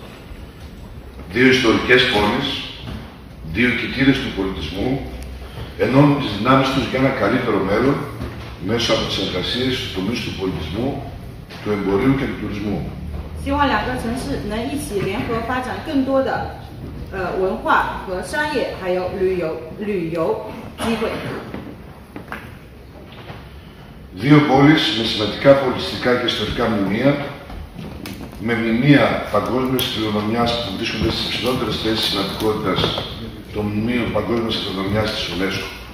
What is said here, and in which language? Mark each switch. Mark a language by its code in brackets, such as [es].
[zh] 今天我们在这里握手，一起创造两个城市的友好历史，见证国际性的一面。 [el] 2 ιστορικές πόλεις, 2 κοιτήρες του πολιτισμού, ενώνουν τις δυνάμεις τους για ένα καλύτερο μέλλον μέσω από τις εργασίες στους τομείς του πολιτισμού, του εμπορίου και του τουρισμού. [zh] 希望两个城市能一起联合发展更多的文化和商业还有旅游机会。 [el] 2 πόλεις με σημαντικά πολιτιστικά και ιστορικά μνημεία, με μνημεία παγκόσμιας κληρονομιάς που βρίσκονται στις υψηλότερες θέσεις σημαντικότητας των μνημείων παγκόσμιας κληρονομιάς της UNESCO.